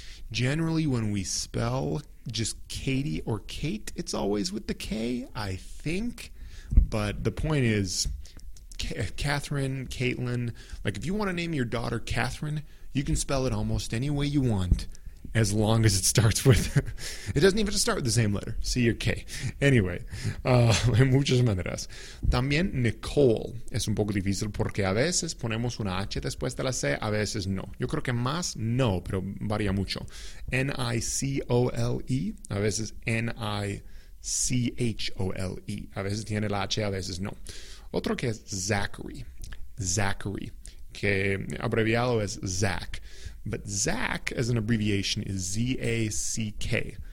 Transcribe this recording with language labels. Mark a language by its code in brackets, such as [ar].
[en] Generally, when we spell just Katie or Kate, it's always with the K, I think. But the point is, Catherine, Caitlin, like if you want to name your daughter Catherine, you can spell it almost any way you want, as long as it starts with... it doesn't even have to start with the same letter, C or K. [es] Anyway, hay muchas maneras. También Nicole es un poco difícil porque a veces ponemos una H después de la C, a veces no. Yo creo que más no, pero varía mucho. N-I-C-O-L-E, a veces N-I-C-H-O-L-E. A veces tiene la H, a veces no. Otro que es Zachary, que abreviado es Zach. [en] But Zach, as an abbreviation, is Z-A-C-K.